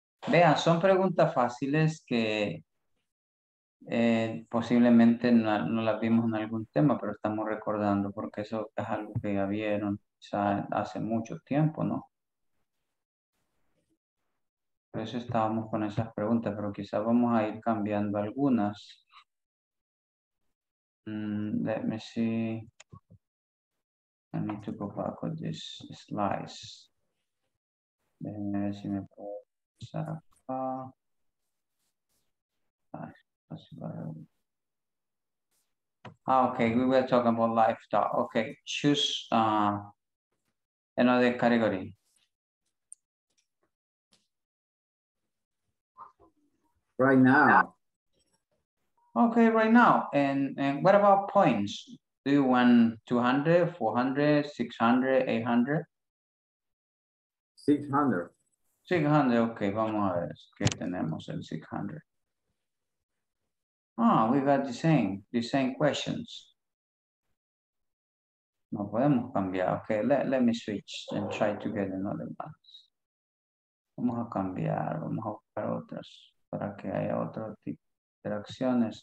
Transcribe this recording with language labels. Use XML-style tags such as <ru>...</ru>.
<es>Vean, son preguntas fáciles que posiblemente no las vimos en algún tema, pero estamos recordando porque eso es algo que ya vieron ya hace mucho tiempo, ¿no? Por eso estábamos con esas preguntas, pero quizás vamos a ir cambiando algunas.</es> <en>Let me see. I need to go back with this slides.</en> <es>Déjenme ver si me puedo pasar acá.</es> <en>Okay, we were talking about livestock. Okay, choose another category. Right now. Okay, right now. And what about points? Do you want 200, 400, 600, 800? 600.</en> <es>600, okay, vamos a ver que tenemos el 600.</es> <en>Ah, we got the same questions.</en> <es>No podemos cambiar.</es> <en>Okay, let me switch and try to get another one.</en> <es>Vamos a cambiar, vamos a buscar otras para que haya otro tipo de interacciones.</es>